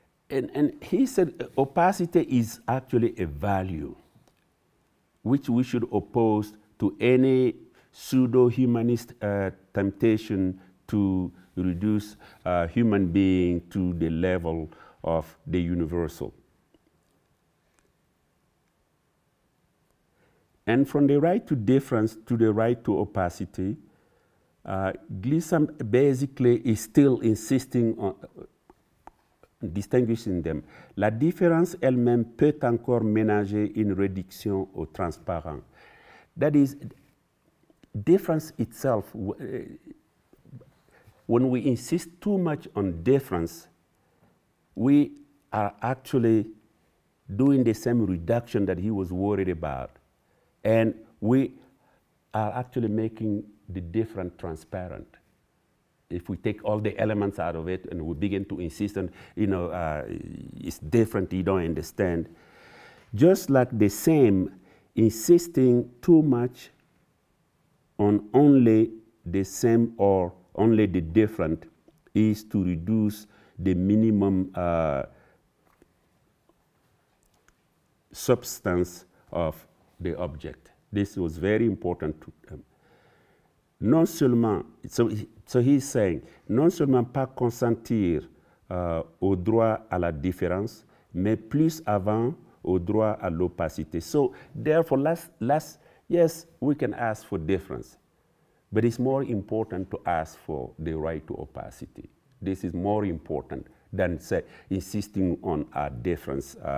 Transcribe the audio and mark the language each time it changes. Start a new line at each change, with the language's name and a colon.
English: And he said opacity is actually a value which we should oppose to any pseudo-humanist temptation to reduce a human being to the level of the universal. And from the right to difference to the right to opacity, Gleason basically is still insisting on distinguishing them.
French: La différence elle-même peut encore ménager une réduction au transparent.
English: That is, difference itself, when we insist too much on difference, we are actually doing the same reduction that he was worried about. And we are actually making the different transparent. If we take all the elements out of it and we begin to insist on, you know, it's different, you don't understand. Just like the same, insisting too much on only the same or only the different is to reduce the minimum substance of the object. This was very important to them.
French: Non seulement,
English: so he's saying,
French: non seulement pas consentir au droit à la différence, mais plus avant au droit à l'opacité.
English: So therefore, less, yes, we can ask for difference, but it's more important to ask for the right to opacity. This is more important than, say, insisting on a difference.